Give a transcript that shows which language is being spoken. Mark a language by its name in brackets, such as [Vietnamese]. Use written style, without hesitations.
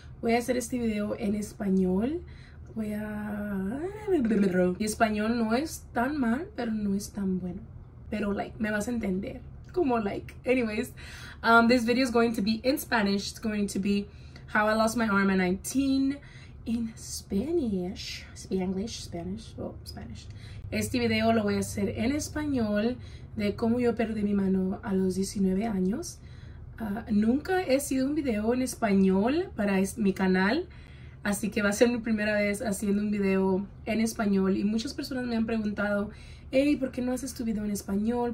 [Spanish] Voy a hacer este video en español. Voy a... Mi español no es tan mal, pero no es tan bueno. Pero, like, me vas a entender. Como, like, anyways. [English] This video is going to be in Spanish. It's going to be how I lost my arm at 19 in Spanish. Spanglish, Spanish, oh, Spanish. [Spanish] Este video lo voy a hacer en español de cómo yo perdí mi mano a los 19 años. Nunca he sido un video en español para mi canal, así que va a ser mi primera vez haciendo un video en español. Y muchas personas me han preguntado, hey, ¿por qué no haces tu video en español?